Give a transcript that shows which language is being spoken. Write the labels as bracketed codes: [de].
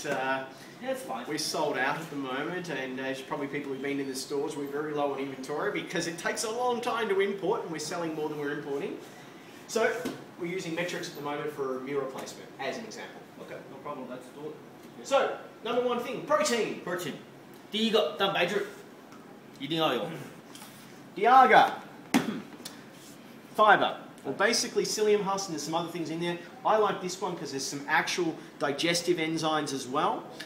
[en] yeah, it's fine. We're sold out at the moment, and as probably people who've been in the stores, we're very low on inventory because it takes a long time to import, and we're selling more than we're importing. So we're using metrics at the moment for meal replacement, as an example. Okay, no problem. Let's do it. So number one thing, protein. Protein. [zh] 第一个蛋白质，一定要有。第二个 fiber. [en] Well, basically, psyllium husk, and there's some other things in there. I like this one because there's some actual digestive enzymes as well.